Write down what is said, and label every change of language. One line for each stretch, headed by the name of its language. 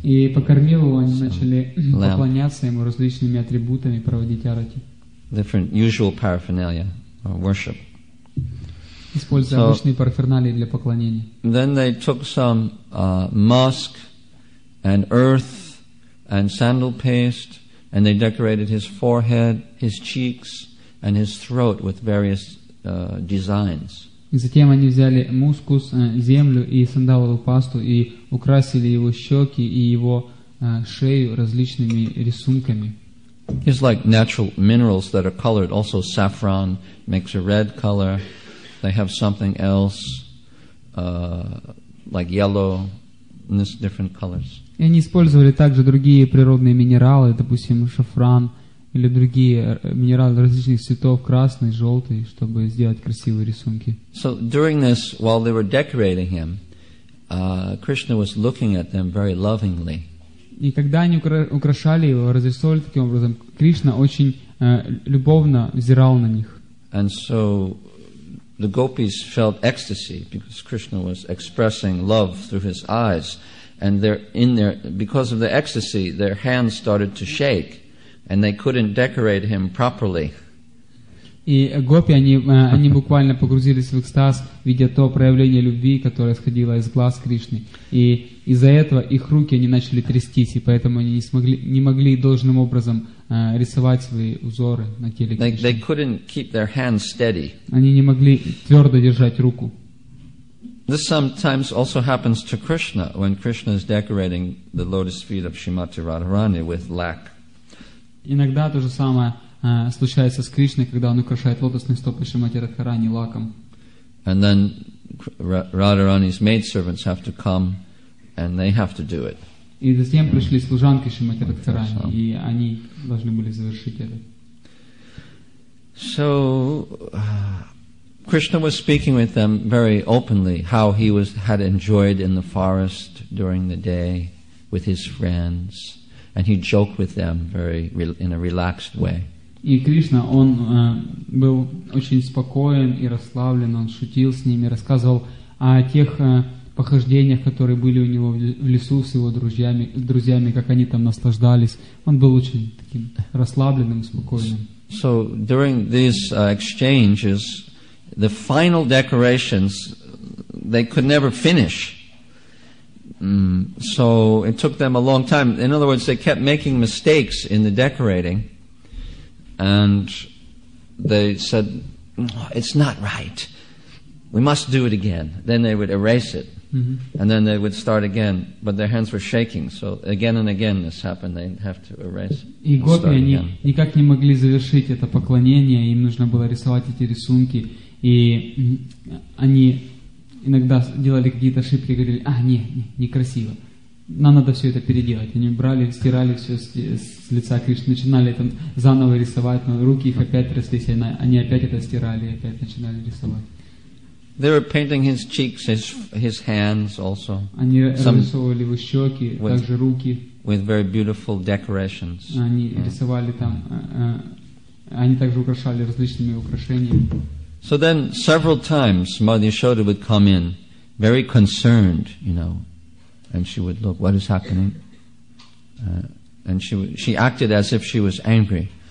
Russian: И покормил его, они начали поклоняться ему различными атрибутами, проводить арти.
English: Different usual paraphernalia, or worship.
Russian: Используя обычные параферналии для поклонения.
English: Then they took some musk and earth and sandal paste, and they decorated his forehead, his cheeks, and his throat with various designs.
Russian: Затем они взяли мускус, землю и сандаловую пасту и украсили его щеки и его шею различными рисунками.
English: It's like natural minerals that are colored. Also, saffron makes a red color. They have something else, like yellow, and this different colors.
Russian: И они использовали также другие природные минералы, допустим, шафран или другие минералы различных цветов, красный, желтый, чтобы сделать красивые рисунки.
English: So during this, while they were decorating him, Krishna was looking at them very lovingly.
Russian: И когда они украшали его, разрисовали таким образом, Кришна очень любовно взирал на них.
English: And so the gopis felt ecstasy because Krishna was expressing love through his eyes. And because of the ecstasy, their hands started to shake, and they couldn't decorate him properly.
Russian: И гопи, они буквально погрузились в экстаз, видя то проявление любви, которое исходило из глаз Кришны. И из-за этого их руки, они начали трястись, и поэтому они не могли должным образом рисовать свои узоры на теле Кришны.
English: They couldn't keep their hands steady.
Russian: Они не могли твердо держать руку.
English: This sometimes also happens to Krishna when Krishna is decorating the lotus feet of Srimati Radharani with lac.
Russian: Иногда то же самое случается с Кришной, когда он украшает лотосные стопы Шримати Радхарани лаком.
English: And then Radharani's maidservants have to come, and they have to do it.
Russian: И затем пришли служанки Шримати Радхарани, и они должны были завершить это.
English: So Krishna was speaking with them very openly, how he had enjoyed in the forest during the day with his friends, and he joked with them in a relaxed way.
Russian: И Кришна, он был очень спокоен и расслаблен, он шутил с ними, рассказывал о тех похождениях, которые были у него в лесу с его друзьями, как они там наслаждались. Он был очень таким расслабленным, спокойным.
English: So during these exchanges, the final decorations, they could never finish. So it took them a long time. In other words, they kept making mistakes in the decorating. And they said, it's not right. We must do it again. Then they would erase it. Mm-hmm. And then they would start again. But their hands were shaking. So again and again this happened. They'd have to erase.
Russian: И гопи, они никак не могли завершить это поклонение. Им нужно было рисовать эти рисунки. И они иногда делали какие-то ошибки и говорили, некрасиво. Нам надо все это переделать. Они брали, стирали все с лица Кришны, начинали там заново рисовать, но руки их опять тряслись, они опять это стирали, опять начинали рисовать.
English: They were painting his cheeks, his hands also.
Russian: Они рисовали его щеки, также руки.
English: With very beautiful decorations.
Russian: Они рисовали там, они также украшали различными украшениями.
English: So then several times Mother Yashoda would come in very concerned, you know, and she would look, what is happening? And she acted as if she was angry.